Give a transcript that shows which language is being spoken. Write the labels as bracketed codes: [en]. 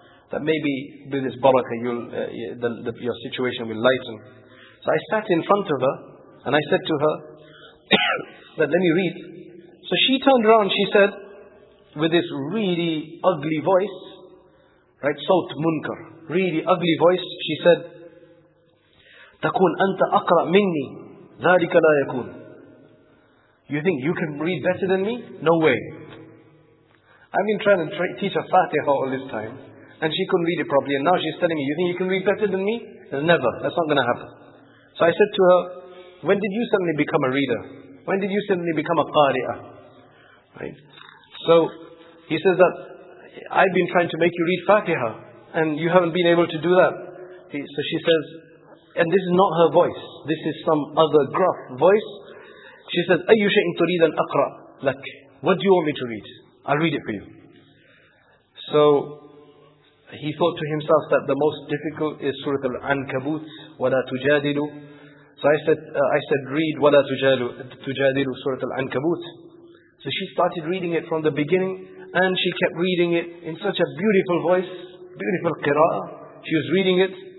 [en] That maybe with this barakah, your situation will lighten. So I sat in front of her, and I said to her, that let me read. So she turned around, she said, with this really ugly voice, right, Saut Munkar. Really ugly voice, she said, [ar] تَكُونْ أَنْتَ أَقْرَأْ مِنِّي ذَلِكَ لَا يَكُونَ. [en] You think you can read better than me? No way. I've been trying to teach her Fatiha all this time, and she couldn't read it properly, and now she's telling me, you think you can read better than me? Never, that's not going to happen. So I said to her, when did you suddenly become a reader? When did you suddenly become a qari'ah? Right? So, he says that, I've been trying to make you read Fatiha, and you haven't been able to do that. So she says, and this is not her voice. This is some other gruff voice. She says, [ar] أَيُّ شَيْءٍ تُرِيدًا أَقْرَأ لَكَ. [en] What do you want me to read? I'll read it for you. So, he thought to himself that the most difficult is Surah Al-Ankabut, [ar] وَلَا تُجَادِلُ. [en] So I said, read [ar] وَلَا تُجَادِلُ [en] Surah Al-Ankabut. So she started reading it from the beginning, and she kept reading it in such a beautiful voice. Beautiful qira'ah. She was reading it.